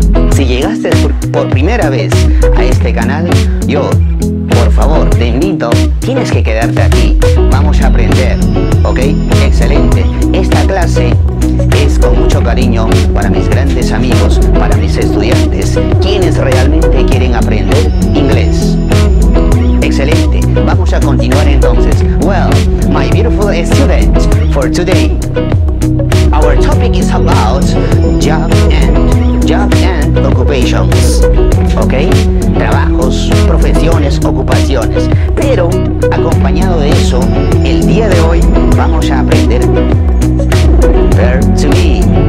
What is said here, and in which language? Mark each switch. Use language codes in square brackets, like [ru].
[es] Si llegaste por primera vez a este canal, yo, por favor, te invito, tienes que quedarte aquí. Vamos a aprender, ¿ok? Excelente. Esta clase es con mucho cariño para mis grandes amigos, para mis estudiantes, quienes realmente quieren aprender inglés. Excelente. Vamos a continuar entonces. [en] Well, my beautiful students, for today, our topic is about job and occupations, ¿ok? [es] Trabajos, profesiones, ocupaciones. Pero acompañado de eso, el día de hoy vamos a aprender verb to be.